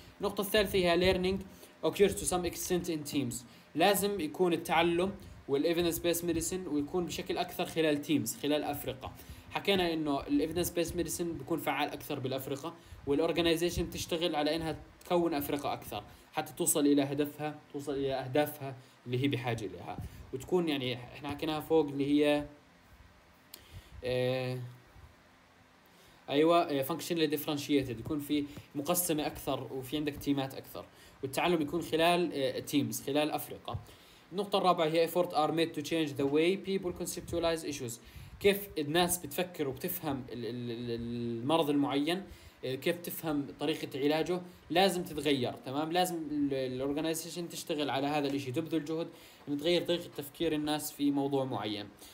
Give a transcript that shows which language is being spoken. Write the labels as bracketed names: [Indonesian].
[Arabic] النقطة الثالثة هي [English] learning occurs to some extent in teams. [Arabic] لازم يكون التعلم والإيفيدنس بيس ميديسن ويكون بشكل أكثر خلال تيمز، خلال أفريقة. حكينا إنه الإيفيدنس بيس ميديسن بيكون فعال أكثر بالأفريقة، والأورجانيزيشن تشتغل على إنها تكون أفريقة أكثر حتى توصل إلى هدفها، توصل إلى أهدافها اللي هي بحاجة لها، وتكون يعني إحنا حكيناها فوق اللي هي أيوة functionally differentiated، يكون في مقسمة أكثر وفي عندك تيمات أكثر، والتعلم يكون خلال تيمز، خلال أفريقة. النقطة الرابعة هي [English] effort are made to change the way people conceptualize issues. [Arabic] كيف الناس بتفكر وبتفهم المرض المعين، كيف تفهم طريقة علاجه، لازم تتغير. تمام، لازم الorganization تشتغل على هذا الاشي، تبذل جهد ان تغير طريقة تفكير الناس في موضوع معين.